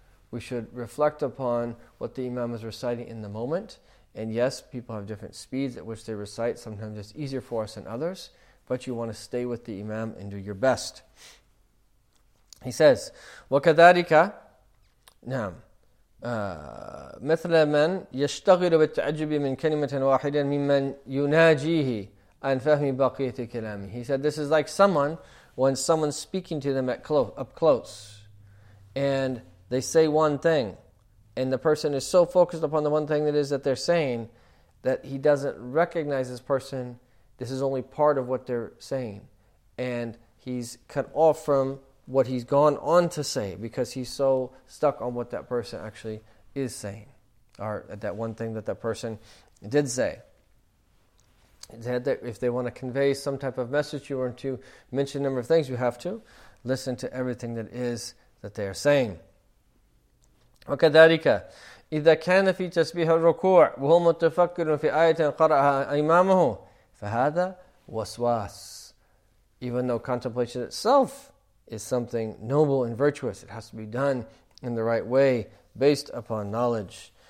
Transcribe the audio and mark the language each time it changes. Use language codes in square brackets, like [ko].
[en] We should reflect upon what the imam is reciting in the moment. And yes, people have different speeds at which they recite. Sometimes it's easier for us than others. But you want to stay with the imam and do your best. He says, [ar] وَكَذَٰلِكَ نَعْمُ مثل من يشتغل بالتعجب من كلمة واحدة ممن يناجيه عن فهم بقية كلامه. [en] He said this is like someone when someone's speaking to them at close, up close, and they say one thing, and the person is so focused upon the one thing that is that they're saying that he doesn't recognize this person. This is only part of what they're saying, and he's cut off from what he's gone on to say because he's so stuck on what that person actually is saying, or that one thing that that person did say. Said that if they want to convey some type of message to you or to mention a number of things, you have to listen to everything that is that they are saying. [ar] وكذلك إذا كان في تسبيح الركوع وهو متفكر في آية قرأها إمامه فهذا وسواس. [en] Even though contemplation itself is something noble and virtuous, it has to be done in the right way based upon knowledge.